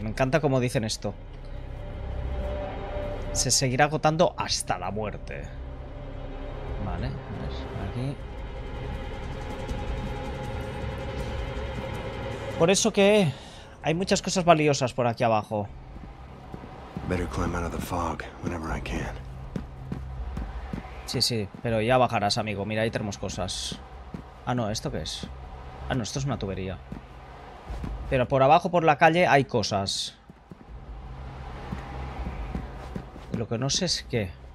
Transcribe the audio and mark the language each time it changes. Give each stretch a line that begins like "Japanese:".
Spanish: Me encanta cómo dicen esto. Se seguirá agotando hasta la muerte. Vale, a ver, aquí... Por eso que hay muchas cosas valiosas por aquí abajo.
English: Better climb out of the fog whenever I can.
Spanish: Sí, sí, pero ya bajarás, amigo. Mira, ahí tenemos cosas. Ah, no, ¿esto qué es? Ah, no, esto es una tubería. Pero por abajo, por la calle, hay cosas. Lo que no sé es qué.